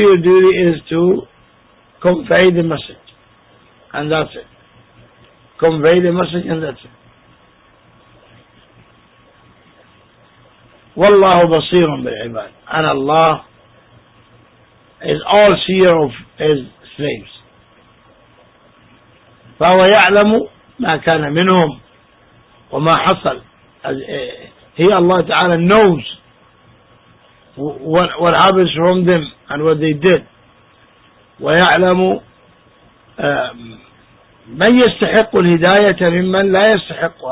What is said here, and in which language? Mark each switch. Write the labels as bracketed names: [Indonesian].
[English] Your duty is to convey the message. And that's it. Convey the message and that's it. [Arabic] والله بصير بالعباد. [English] And Allah is all seer of his slaves. [Arabic] فهو يعلم ما كان منهم وما حصل. [English] He Allah Ta'ala knows what happens from them and what they did. [Arabic] ويعلم من يستحق الهداية ممن لا يستحق.